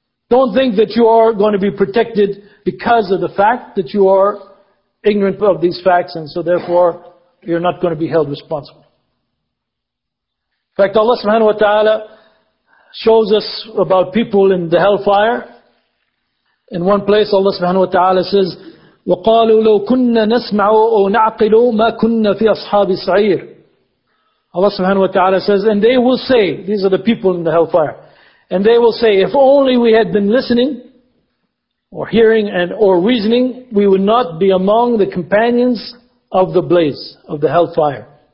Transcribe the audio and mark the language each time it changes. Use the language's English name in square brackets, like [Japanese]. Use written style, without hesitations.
[English] Don't think that you are going to be protected because of the fact that you are ignorant of these facts, and so therefore you're not going to be held responsible. In fact, Allah subhanahu wa ta'ala shows us about people in the hellfire. In one place, Allah subhanahu wa ta'ala says, [Arabic] وَقَالُوا لَوْ كُنَّا نَسْمَعُوا أَوْ نَعْقِلُوا مَا كُنَّا فِي أَصْحَابِ السَّعِيرِ. [English] Allah subhanahu wa ta'ala says, and they will say, these are the people in the hellfire, and they will say, if only we had been listening, or hearing, or reasoning, we would not be among the companions of the blaze, of the hellfire.